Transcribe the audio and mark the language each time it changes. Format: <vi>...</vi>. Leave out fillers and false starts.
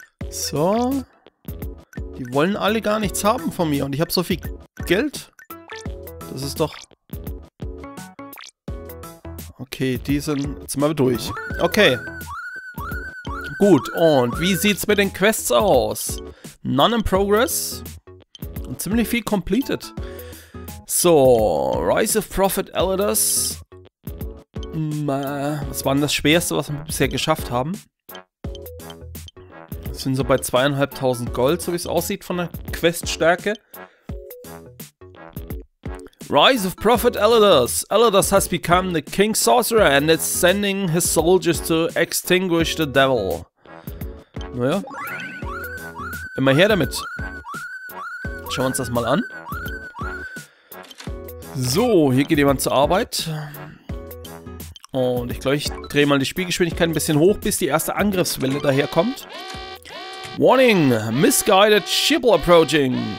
<de>So. Die wollen alle gar nichts haben von mir. Und ich habe so viel Geld. Das ist doch... Okay, die sind... Jetzt sind wir durch. Okay. Gut, und wie sieht's mit den Quests aus?</de> <en>None in progress.</en> <de>Und ziemlich viel completed. So, Rise of Prophet Elders. Was war denn das Schwerste, was wir bisher geschafft haben? Wir sind so bei 2.500 Gold, so wie es aussieht von der Queststärke. Rise of Prophet Elders.</de> <en>Elders has become the King Sorcerer and is sending his soldiers to extinguish the devil.</en> <de>Naja. Immer her damit. Schauen wir uns das mal an. So, hier geht jemand zur Arbeit. Und ich glaube, ich drehe mal die Spielgeschwindigkeit ein bisschen hoch, bis die erste Angriffswelle daherkommt.</de> <en>Warning! Misguided ship approaching!</en>